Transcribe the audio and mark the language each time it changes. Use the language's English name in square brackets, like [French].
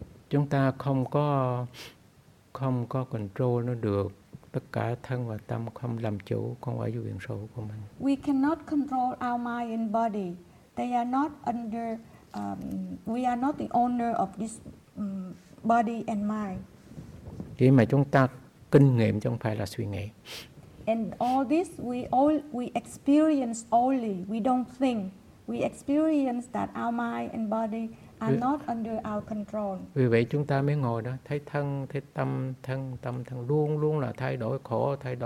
[Vietnamese] Chúng ta không có control nó được, tất cả thân và tâm không làm chủ con quả vô biển sổ của mình. [English] We cannot control our mind and body. They are not under we are not the owner of this body and mind. [Vietnamese] Khi mà chúng ta kinh nghiệm chứ không phải là suy nghĩ. [English] And all this we experience only, we don't think. We experience that our mind and body are not under our control. [Vietnamese] Vì vậy chúng ta mới ngồi đó, thấy thân, thấy tâm, thân luôn luôn là thay đổi khổ.